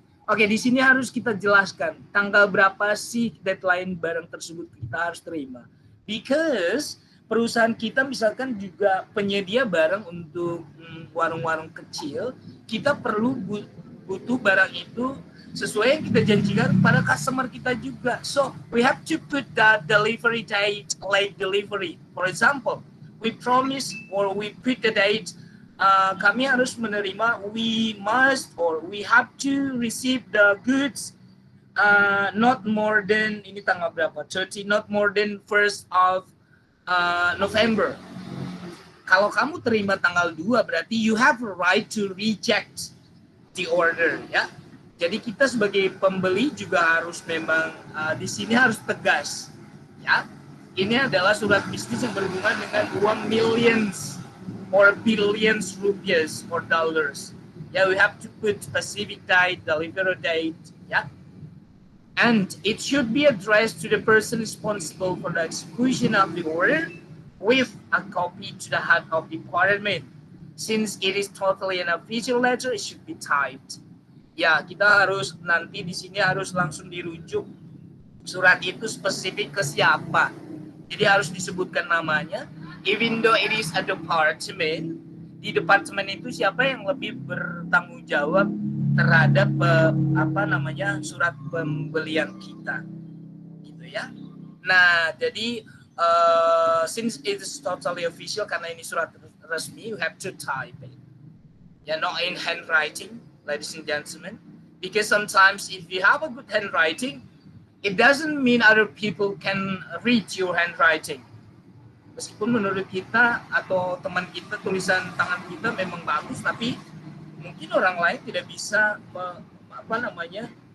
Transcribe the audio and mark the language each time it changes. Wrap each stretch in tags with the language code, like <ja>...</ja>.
<id>Okay, di sini harus kita jelaskan tanggal berapa sih deadline barang tersebut kita harus terima.</id> <en>Because</en> <id>perusahaan kita misalkan juga penyedia barang untuk warung-warung kecil, kita perlu butuh barang itu sesuai yang kita janjikan pada customer kita juga.</id> <en>So, we have to put that delivery date, late delivery. For example, we promise or we put the date,</en> <id>kami harus menerima,</id> <en>we must or we have to receive the goods not more than,</en> <id>ini tanggal berapa,</id> <en>30, not more than 1st of November.</en> <id>Kalau kamu terima tanggal 2, berarti</id> <en>you have a right to reject the order, ya. Yeah?</en> <id>Jadi kita sebagai pembeli juga harus memang di sini harus tegas, ya. Ini adalah surat bisnis yang berhubungan dengan uang</id> <en>millions or billions rupiahs or dollars. Ya, we have to put specific date, delivery date, ya. And it should be addressed to the person responsible for the execution of the order with a copy to the head of department. Since it is totally an official letter, it should be typed.</en> <id>Ya, kita harus nanti di sini harus langsung dirujuk surat itu spesifik ke siapa. Jadi harus disebutkan namanya.</id> <en>Even though it is a department,</en> <id>di departemen itu siapa yang lebih bertanggung jawab terhadap apa namanya surat pembelian kita. Gitu ya. Nah, jadi</id> <en>since it is totally official,</en> <id>karena ini surat resmi,</id> <en>you have to type it. Ya, not in handwriting. Ladies and gentlemen, because sometimes if you have a good handwriting, it doesn't mean other people can read your handwriting.</en> <id>Meskipun menurut kita atau teman kita tulisan tangan kita memang bagus, tapi mungkin orang lain tidak bisa apa namanya?</id>